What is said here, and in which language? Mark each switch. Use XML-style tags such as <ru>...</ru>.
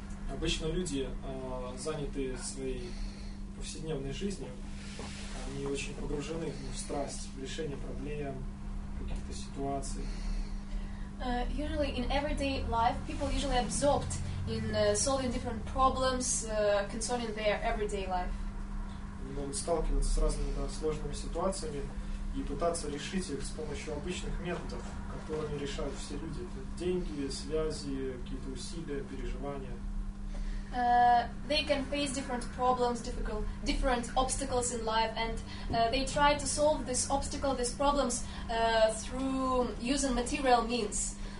<ru>Обычно люди заняты своей повседневной жизни, они очень погружены в страсть, в решение проблем, каких-то ситуаций.</ru> <en>Usually in everyday life, people usually absorbed in solving different problems concerning their everyday life.</en> <ru>Они могут сталкиваться с разными сложными ситуациями и пытаться решить их с помощью обычных методов, которыми решают все люди. Это деньги, связи, какие-то усилия, переживания.</ru> <en>They can face different problems, different obstacles in life, and they try to solve this obstacle, these problems, through using material means.</en>